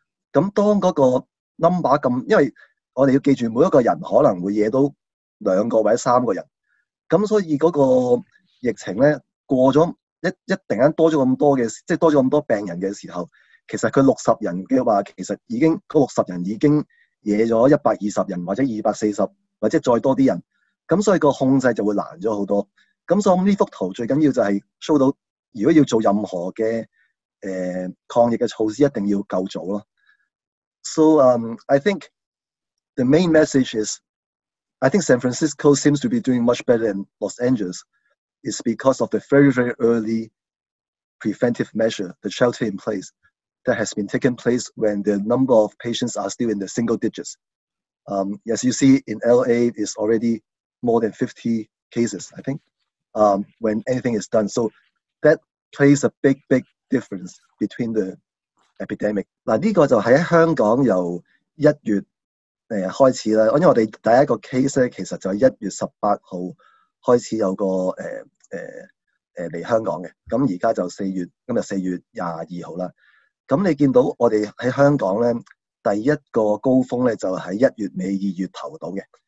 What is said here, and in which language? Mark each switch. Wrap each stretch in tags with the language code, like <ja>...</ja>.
<yue>當那個 number 那麼，因為我們要記住每一個人可能會惹到兩個或三個人，所以那個疫情呢過了 一定間多了那麼多的，即多了那麼多病人的時候，其實佢六十人嘅話，其實已經嗰六十人已經惹咗120人或者240或者再多啲人，咁所以個控制就會難咗好多。咁所以呢幅圖最緊要就係 show 到，如果要做任何嘅抗疫嘅措施，一定要夠早咯。</yue> <en>So I think the main message is I think San Francisco seems to be doing much better than Los Angeles is because of the very very early preventive measure, the shelter in place. That has been taken place when the number of patients are still in the single digits. As you see in LA, it's already more than 50 cases, I think, when anything is done. So that plays a big, big difference between the epidemic.</en> <yue>这个就是在香港由一月开始，因为我们第一个 case 其实就是一月十八号开始有个来香港的，现在就四月，今天四月22号了。咁你見到我哋喺香港咧，第一個高峰咧就喺一月尾二月頭到嘅。</yue>